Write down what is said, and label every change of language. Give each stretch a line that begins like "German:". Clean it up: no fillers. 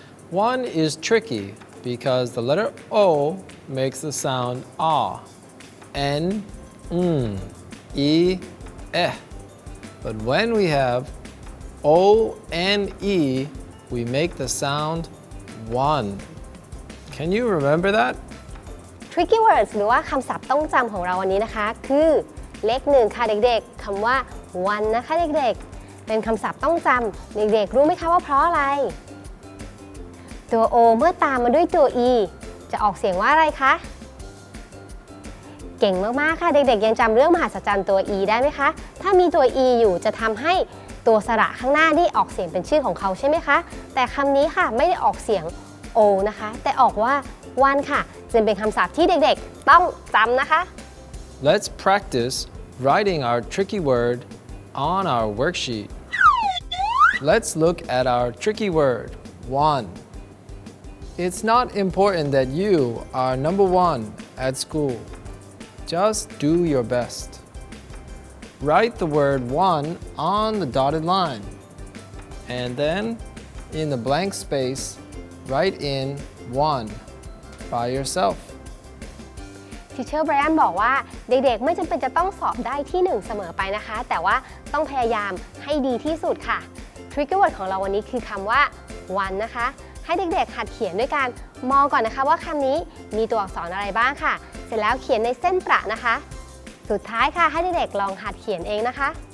English: One is tricky because the letter O makes the sound ah, N, mm. E, eh. But when we have O, N, E, we make the sound one. Can you remember that? Tricky words
Thai: หรือว่าคำศัพท์ต้องจำของเราวันนี้นะคะคือ เลข1ค่ะเด็กๆคำว่า one นะคะเด็กๆเป็นคำศัพท์ต้องจำเด็กๆรู้ไหมคะว่าเพราะอะไรตัว O เมื่อตามมาด้วยตัว E จะออกเสียงว่าอะไรคะเก่งมากๆค่ะเด็กๆยังจำเรื่องมหัศจรรย์ตัว E ได้ไหมคะถ้ามีตัว E อยู่จะทำให้ตัวสระข้างหน้านี่ออกเสียงเป็นชื่อของเขาใช่ไหมคะแต่คำนี้ค่ะไม่ได้ออกเสียง O นะคะแต่ออกว่า One ค่ะจึงเป็นคำศัพท์ที่เด็กๆต้องจำนะคะ
English: Let's practice writing our tricky wordOn our worksheet, let's look at our tricky word, one. It's not important that you are number one at school. Just do your best. Write the word one on the dotted line. And then, in the blank space, write in one by yourself.
Thai: Teacher Brian บอกว่าเด็กๆไม่จำเป็นจะต้องสอบได้ที่1เสมอไปนะคะแต่ว่าต้องพยายามให้ดีที่สุดค่ะ
English: Trigger word
Thai: ของเราวันนี้คือคำว่า one นะคะให้เด็กๆหัดเขียนด้วยการมองก่อนนะคะว่าคำนี้มีตัวอักษรอะไรบ้างค่ะเสร็จแล้วเขียนในเส้นประนะคะสุดท้ายค่ะให้เด็กๆลองหัดเขียนเองนะคะ